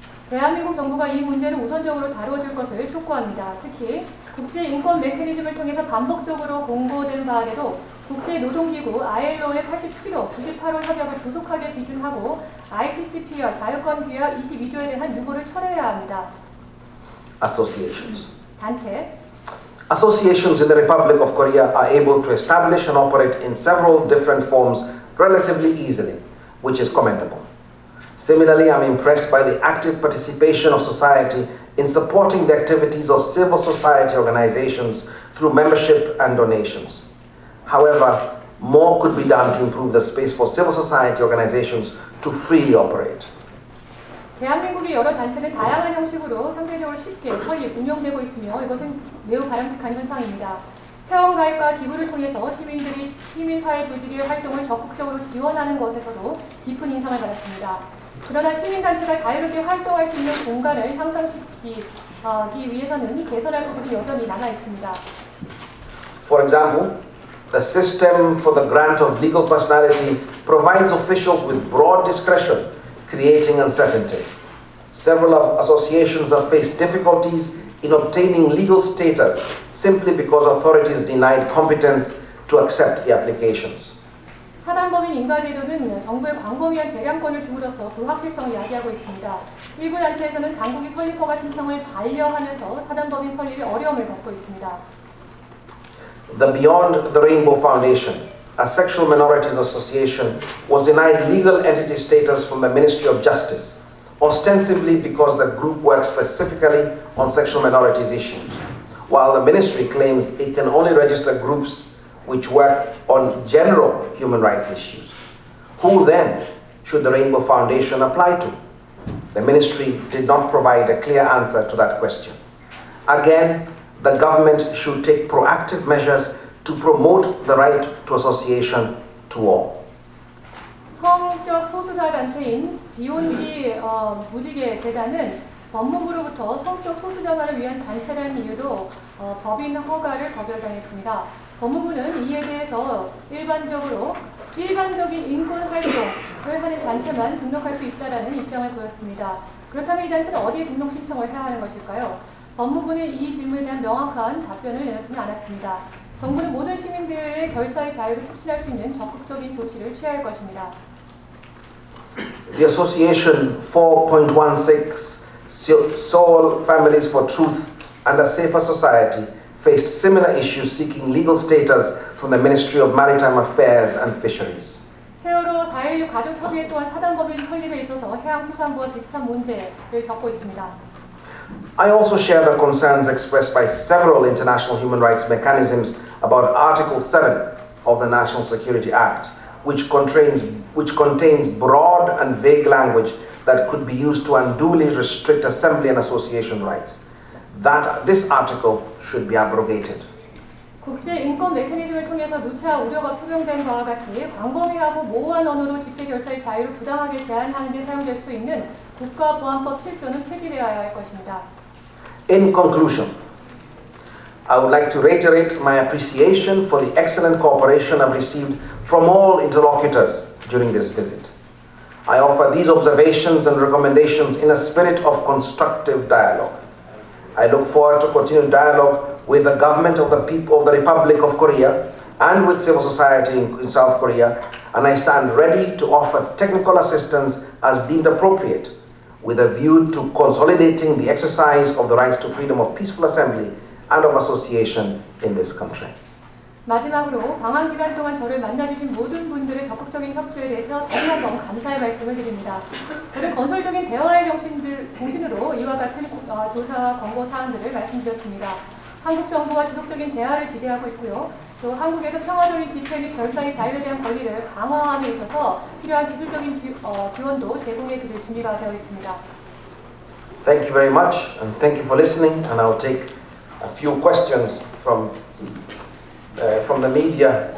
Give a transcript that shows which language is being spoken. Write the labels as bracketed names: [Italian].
[Korean] 대한민국 정부가 이 문제를 우선적으로 다뤄줄 것을 촉구합니다. 특히 국제 인권 메커니즘을 통해서 반복적으로 공고된 사안에도 국제 노동기구 ILO의 87호, 98호 협약을 조속하게 비준하고 ICCP와 자유권 규약 22조에 대한 유보를 철회해야 합니다. [English] Associations. [Korean] 단체. [English] Associations in the Republic of Korea are able to establish and operate in several different forms relatively easily, which is commendable. Similarly, I'm impressed by the active participation of society in supporting the activities of civil society organizations through membership and donations. However, more could be done to improve the space for civil society organizations to freely operate. [Korean] 대한민국의 여러 단체는 다양한 형식으로 상대적으로 쉽게 거의 운영되고 있으며 이것은 매우 바람직한 현상입니다. 회원가입과 기부를 통해서 시민들이 시민사회 조직의 활동을 적극적으로 지원하는 것에서도 깊은 인상을 받았습니다. 그러나 시민단체가 자유롭게 활동할 수 있는 공간을 향상시키기 위해서는 개선할 부분이 여전히 남아있습니다. [English] For example, the system for the grant of legal personality provides officials with broad discretion, creating uncertainty. Several associations have faced difficulties in obtaining legal status simply because authorities denied competence to accept the applications. [Korean] 사단법인 인가제도는 정부의 광범위한 재량권을 주므로써 불확실성을 야기하고 있습니다. 일부 단체에서는 당국이 설립 허가 신청을 반려하면서 사단법인 설립에 어려움을 겪고 있습니다. [English] The Beyond the Rainbow Foundation, a sexual minorities association, was denied legal entity status from the Ministry of Justice, ostensibly because the group works specifically on sexual minorities issues, while the ministry claims it can only register groups which work on general human rights issues. Who then should the Rainbow Foundation apply to? The ministry did not provide a clear answer to that question. Again, the government should take proactive measures to promote the right to association to all. [Korean] 성적 소수자 단체인 비욘디 무지개 재단은 법무부로부터 성적 소수자만을 위한 단체라는 이유로 법인 허가를 거절당했습니다. 법무부는 이에 대해서 일반적인 인권 활동을 하는 단체만 등록할 수 있다라는 입장을 보였습니다. 그렇다면 이 단체는 어디에 등록 신청을 해야 하는 것일까요? 법무부는 이 질문에 대한 명확한 답변을 내놓지는 않았습니다. 정부는 모든 시민들의 결사의 자유를 확실할 수 있는 적극적인 조치를 취해야 할 것입니다. [English] The Association 4.16 Seoul Families for Truth and a Safer Society faced similar issues seeking legal status from the Ministry of Maritime Affairs and Fisheries. [Korean] 세월호 4.16 가족협의회 또한 사단법인 설립에 있어서 해양수산부와 비슷한 문제를 겪고 있습니다. [English] I also share the concerns expressed by several international human rights mechanisms about Article 7 of the National Security Act, which contains broad and vague language that could be used to unduly restrict assembly and association rights. That this article should be abrogated. [Korean] 국제 인권 메커니즘을 통해서 누차 우려가 표명된 바와 같이 광범위하고 모호한 언어로 집회 결사의 자유를 부당하게 제한하는 데 사용될 수 있는 국가보안법 7조는 폐지되어야 할 것입니다. [English] In conclusion, I would like to reiterate my appreciation for the excellent cooperation I've received from all interlocutors during this visit. I offer these observations and recommendations in a spirit of constructive dialogue. I look forward to continued dialogue with the government of the people of the Republic of Korea and with civil society in South Korea, and I stand ready to offer technical assistance as deemed appropriate with a view to consolidating the exercise of the rights to freedom of peaceful assembly and of association in this country. [Korean] 마지막으로 방한 기간 동안 저를 만나주신 모든 분들의 적극적인 협조에 대해서 다시 한번 감사의 말씀을 드립니다. 저는 건설적인 대화의 정신으로 이와 같은 조사와 권고 사항들을 말씀드렸습니다. 한국 정부와 지속적인 대화를 기대하고 있고요. 또 한국에서 평화적인 집회 및 결사의 자유에 대한 권리를 강화함에 있어서 필요한 기술적인 지원도 제공해 드릴 준비가 되어 있습니다. [English] Thank you very much, and thank you for listening. And I'll take a few questions from the media.